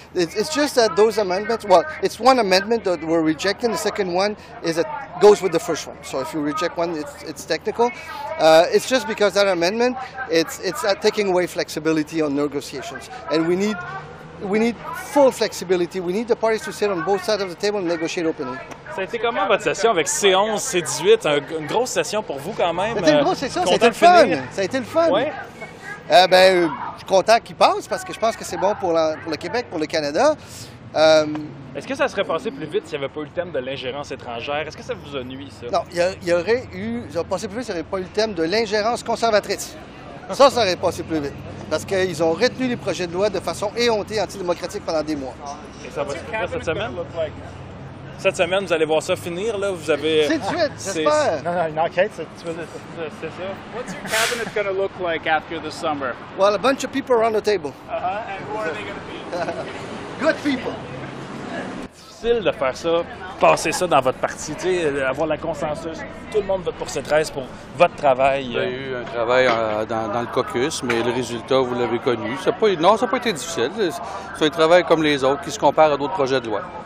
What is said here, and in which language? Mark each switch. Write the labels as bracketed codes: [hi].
[en] It's just that those amendments, well, it's one amendment that we're rejecting. The second one is it goes with the first one. So if you reject one, it's technical. It's just because that amendment, it's taking away flexibility on negotiations. And we need full flexibility. We need the parties to sit on both sides of the table and negotiate openly. [fr] Ça a été comment votre session avec C11, C18? Une grosse session pour vous quand même? C'était une grosse session, ça a été le fun. Ça a été le fun. Oui. Ben, je suis content qu'il passe parce que je pense que c'est bon pour le Québec, pour le Canada. Est-ce que ça serait passé plus vite s'il n'y avait pas eu le thème de l'ingérence étrangère? Est-ce que ça vous a nuit, ça? Non, il aurait passé plus vite s'il n'y avait pas eu le thème de l'ingérence conservatrice. Ça, ça aurait passé plus vite. Parce qu'ils ont retenu les projets de loi de façon éhontée, antidémocratique pendant des mois. Et ça va se faire cette semaine? Cette semaine, vous allez voir ça finir, là, vous avez... C'est de suite, j'espère! Non, une enquête, c'est ça. [en] What's your cabinet going to look like after the summer? Well, a bunch of people around the table. And who are they going to be? Good people! [fr] Difficile de faire ça, passer ça dans votre parti, tu sais, avoir la consensus. Tout le monde vote pour cette race, pour votre travail. Il y a eu un travail dans le caucus, mais le résultat, vous l'avez connu. Non, ça n'a pas été difficile. C'est un travail comme les autres, qui se compare à d'autres projets de loi.